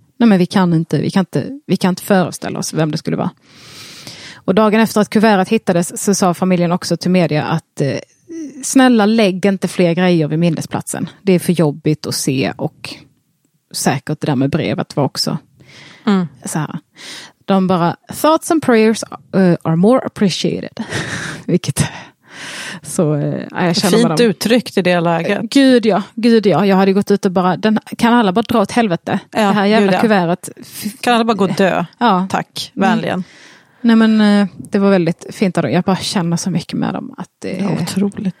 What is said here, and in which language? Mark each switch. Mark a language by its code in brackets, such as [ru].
[sv] Nej, men vi kan inte föreställa oss vem det skulle vara. Och dagen efter att kuvertet hittades så sa familjen också till media att snälla, lägg inte fler grejer vid minnesplatsen. Det är för jobbigt att se och säkert det där med brevet var också så här. De bara, [en] thoughts and prayers are more appreciated. [sv] Vilket så, jag känner fint uttryckt i det läget. Gud ja, jag hade gått ut och bara, kan alla bara dra åt helvete? Ja, det här jävla kuvertet. Kan alla bara gå dö? Ja. Tack, vänligen. Mm. Nej, men det var väldigt fint. Jag bara känner så mycket med dem. Att det är otroligt.